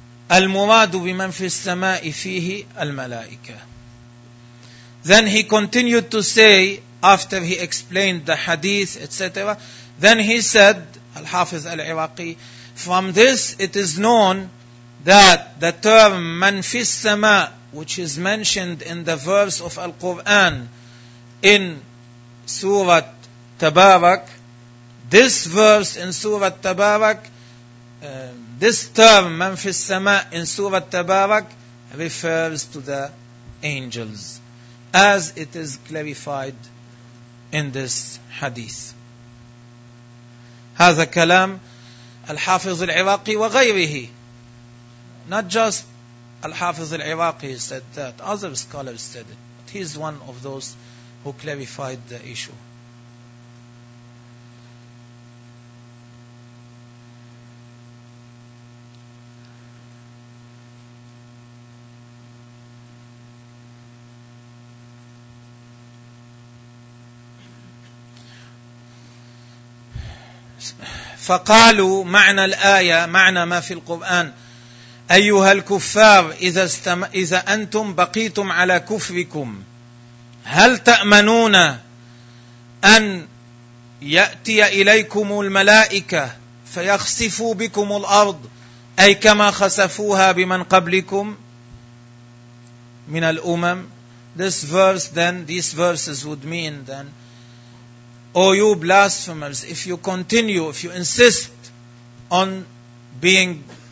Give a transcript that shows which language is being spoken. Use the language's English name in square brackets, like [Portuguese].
[Arabic] المراد بمن في السماء فيه الملائكة. [English] Then he continued to say, after he explained the hadith, etc., then he said, Al-Hafiz Al-Iraqi, from this it is known that the term man fi sama, which is mentioned in the verse of Al-Quran in Surah Tabarak, this verse in Surah Tabarak, this term man fi sama in Surah Tabarak refers to the angels, as it is clarified in this hadith. [Arabic] هذا كلام الحافظ العراقي وغيره. [English] Not just الحافظ العراقي said that, other scholars said it, but he is one of those who clarified the issue. [Arabic] فقالوا معنى الآية, معنى ما في القرآن, أيها الكفار إذا أنتم بقيتم على كفركم هل تأمنون أن يأتي إليكم الملائكة فيخسفوا بكم الأرض أي كما خسفوها بمن قبلكم من الأمم. [English] These verses would mean then O you blasphemers, if you continue, if you insist on being